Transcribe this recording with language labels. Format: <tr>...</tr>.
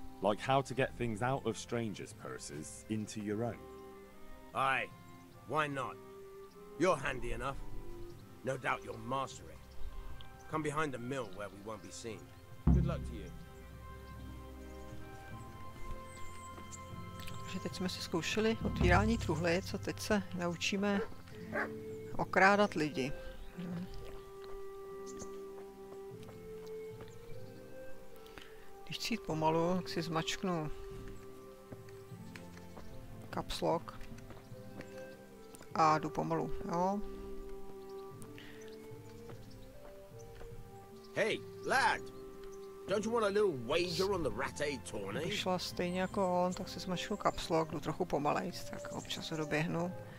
<en>Like how to get things out of strangers' purses into your own? Aye, why not? You're handy enough. No doubt you'll master it. Come behind the mill where we won't be seen. Good luck to you.</en> <cs>Takže teď jsme si zkoušeli otvírání truhly, co teď se naučíme okrádat lidi. Když chci jít pomalu, tak si zmačknu caps lock a jdu pomalu. Jo.</cs> <en>Hey, lad. Don't you want a little wager on the Rataje tourney?</en> <cs>Vyšla stejně jako on, tak si smažil kapslo, jdu trochu pomalej, tak občas ho doběhnu.</cs>